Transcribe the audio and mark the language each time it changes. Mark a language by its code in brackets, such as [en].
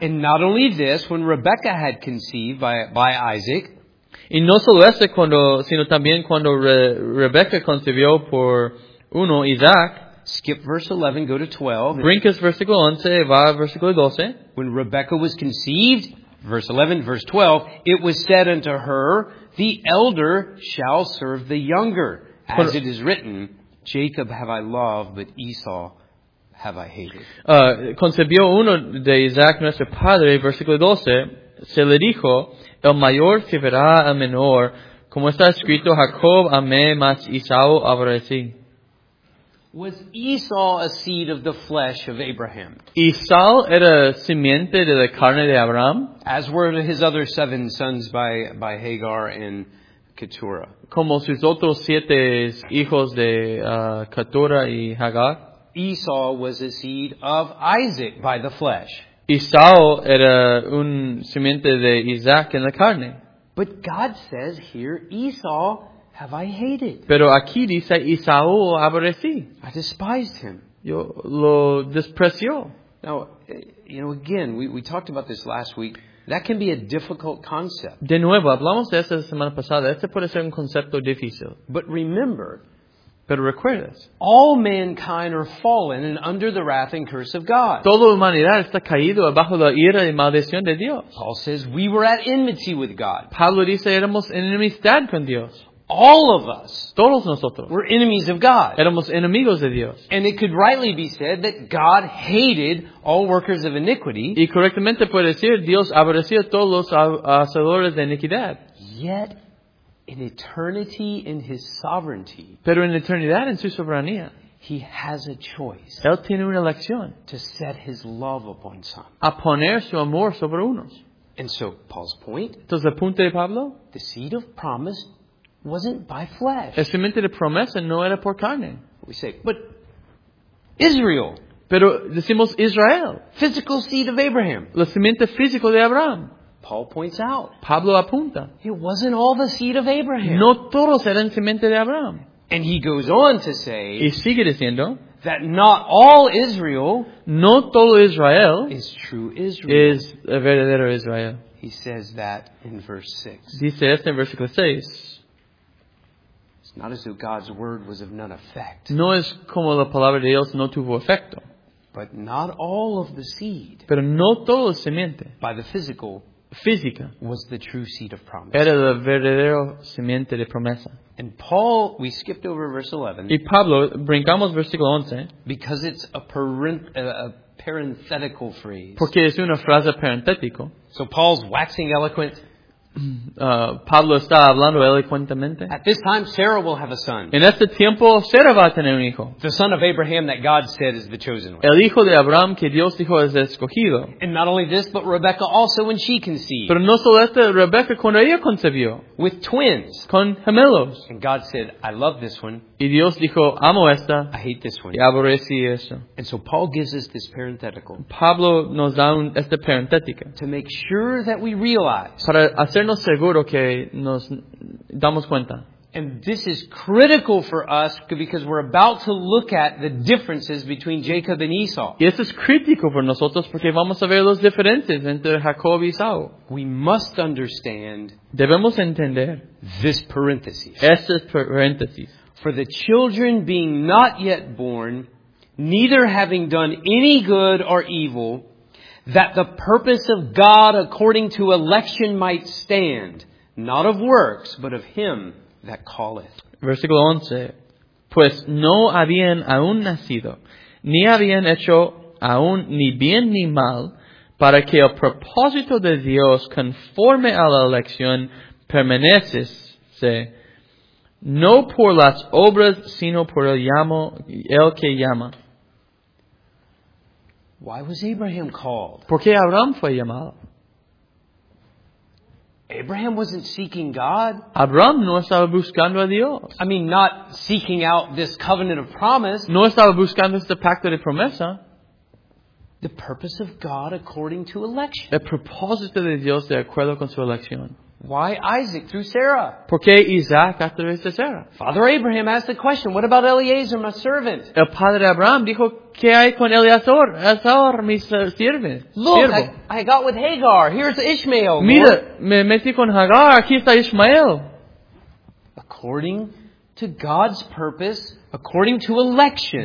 [en] And not only this, when Rebekah had conceived by Isaac. [es] Y no solo eso, sino también cuando Rebekah concibió por uno, Isaac. [en] Skip verse 11, go to 12. [es] Brincas versículo 11, va a versículo 12. [en] When Rebekah was conceived, verse 11, verse 12, it was said unto her, the elder shall serve the younger. As it is written, Jacob have I loved, but Esau have I hated. [es] Concebió uno de Isaac, nuestro padre, versículo 12, se le dijo, el mayor servirá al menor, como está escrito, Jacob amé, mas Esau aborrecí. [en] Was Esau a seed of the flesh of Abraham? [es] Esau era simiente de la carne de Abraham. [en] As were his other seven sons by Hagar and Keturah. [es] Como sus otros siete hijos de Keturah y Hagar. [en] Esau was a seed of Isaac by the flesh. [es] Esau era un simiente de Isaac en la carne. [en] But God says here, Esau have I hated? [es] Pero aquí dice Esau aborrecí. [en] I despised him. [es] Yo lo despreció. [en] Now, you know, again, we talked about this last week. That can be a difficult concept. [es] De nuevo, hablamos de esto la semana pasada. Este puede ser un concepto difícil. [en] But remember. [es] Pero recuerdas. [en] All mankind are fallen and under the wrath and curse of God. [es] Toda humanidad está caído bajo la ira y maldición de Dios. [en] Paul says we were at enmity with God. [es] Pablo dice éramos en enemistad con Dios. [en] All of us, [es] todos nosotros, [en] were enemies of God. [es] Éramos enemigos de Dios. [en] And it could rightly be said that God hated all workers of iniquity. [es] Y correctamente puede decir Dios aborrecía todos los hacedores de iniquidad. [en] Yet, in eternity, in His sovereignty. [es] Pero en eternidad, en su soberanía. [en] He has a choice. [es] Él tiene una elección. [en] To set His love upon some. [es] A poner su amor sobre unos. [en] And so Paul's point. [es] Entonces el punto de Pablo. [en] The seed of promise. Wasn't by flesh. [es] El semente de promesa no era por carne. [en] We say, but Israel. [es] Pero decimos Israel. [en] Physical seed of Abraham. [es] La semente física de Abraham. [en] Paul points out. [es] Pablo apunta. [en] It wasn't all the seed of Abraham. [es] No todos eran semente de Abraham. [en] And he goes on to say. [es] Y sigue diciendo. [en] That not all Israel. [es] No todo Israel. [en] Is true Israel. [es] Is a verdadero Israel. [en] He says that in verse 6. [es] Dice esto en versículo 6. [en] Not as though God's word was of none effect. [es] No es como la palabra de Dios no tuvo efecto. [en] But not all of the seed. [es] Pero no todo la simiente. [en] By the physical. [es] Física. [en] Was the true seed of promise. [es] Era la verdadera simiente de promesa. [en] And Paul, we skipped over verse 11. [es] Y Pablo, brincamos versículo 11. [en] Because it's a parenthetical phrase. [es] Porque es una frase parenthética. [en] So Paul's waxing eloquent. [es] Pablo está hablando elocuentemente. [en] At this time, Sarah will have a son. [es] En este tiempo, Sarah va a tener un hijo. [en] The son of Abraham that God said is the chosen one. [es] El hijo de Abraham que Dios dijo es escogido. [en] And not only this, but Rebecca also when she conceived. [es] Pero no solo esta, Rebecca cuando ella concebió. [en] With twins. [es] Con gemelos. [en] And God said, I love this one. [es] Y Dios dijo, amo esta. [en] I hate this one. [es] Y aborrecí esa. [en] And so Paul gives us this parenthetical. [es] Pablo nos da esta parentética. [en] To make sure that we realize. [es] Para hacernos seguro que nos damos cuenta. [en] And this is critical for us because we're about to look at the differences between Jacob and Esau. [es] Y esto es crítico para nosotros porque vamos a ver las diferencias entre Jacob y Esau. [en] We must understand. [es] Debemos entender. [en] This parenthesis. [es] Estas parentesis. [en] For the children being not yet born, neither having done any good or evil, that the purpose of God according to election might stand, not of works, but of him that calleth. [es] Versículo 11. Pues no habían aún nacido, ni habían hecho aún ni bien ni mal, para que el propósito de Dios conforme a la elección permaneciese, no por las obras, sino por el llamo, el que llama. [en] Why was Abraham called? [es] ¿Por qué Abraham fue llamado? [en] Abraham wasn't seeking God. [es] Abraham no estaba buscando a Dios. [en] I mean, not seeking out this covenant of promise. [es] No estaba buscando este pacto de promesa. [en] The purpose of God according to election. [es] El propósito de Dios de acuerdo con su elección. [en] Why Isaac through Sarah? [es] ¿Por qué Isaac a través de Sarah? [en] Father Abraham asked the question, what about Eliezer, my servant? [es] El padre Abraham dijo, ¿qué hay con Eliezer, mi sirve? [en] Look, I got with Hagar. Here's Ishmael. [es] Mira, me metí con Hagar. Aquí está Ishmael. [en] According to God's purpose, according to election.